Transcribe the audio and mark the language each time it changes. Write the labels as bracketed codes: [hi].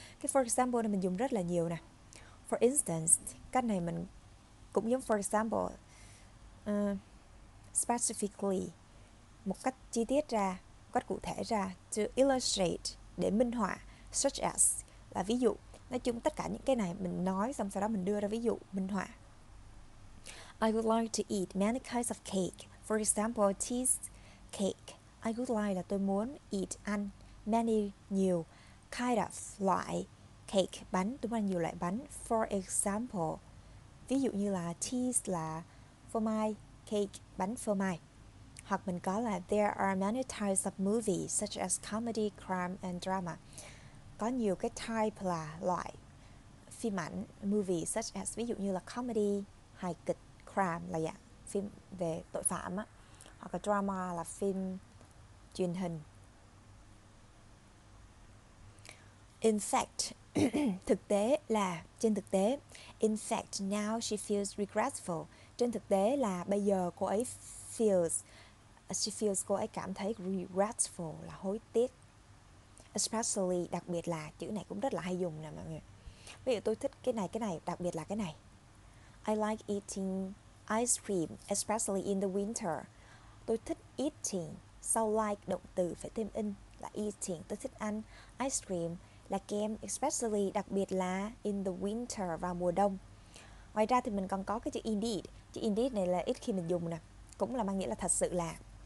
[vi] Cái for example này mình dùng rất là nhiều nè. [en] For instance, [vi] cách này mình cũng giống [en] for example, specifically, [vi] một cách chi tiết ra, cách cụ thể ra. [en] To illustrate, [vi] để minh họa. [en] Such as [vi] là ví dụ. Nói chung tất cả những cái này mình nói xong sau đó mình đưa ra ví dụ minh họa. [en] I would like to eat many kinds of cake. For example, cheese cake. I would like [vi] là tôi muốn eat, ăn many, nhiều [en] kind of, [vi] loại cake, bánh, tôi muốn ăn nhiều loại bánh. [en] For example, [vi] ví dụ như là cheese là phô mai, cake, bánh phô mai. Hoặc mình có là [en] there are many types of movies such as comedy, crime and drama. [vi] Có nhiều cái type là loại phim ảnh, movie [en] such as [vi] ví dụ như là comedy, hài kịch, crime là dạng phim về tội phạm á. Hoặc là drama là phim truyền hình. [en] In fact, [vi] thực tế là trên thực tế, [en] in fact now she feels regretful. [vi] Trên thực tế là bây giờ cô ấy feels, [en] she feels [vi] cô ấy cảm thấy regretful là hối tiếc. Especially, đặc biệt là chữ này cũng rất là hay dùng nè mọi người. Ví dụ tôi thích cái này, đặc biệt là cái này. [en] I like eating ice cream, especially in the winter. [vi] Tôi thích eating, [en] sau like [vi] động từ phải thêm in là eating. Tôi thích ăn ice cream là kem, especially đặc biệt là [en] in the winter [vi] vào mùa đông. Ngoài ra thì mình còn có cái chữ indeed. Chữ indeed này là ít khi mình dùng nè, cũng là mang nghĩa là thật sự là.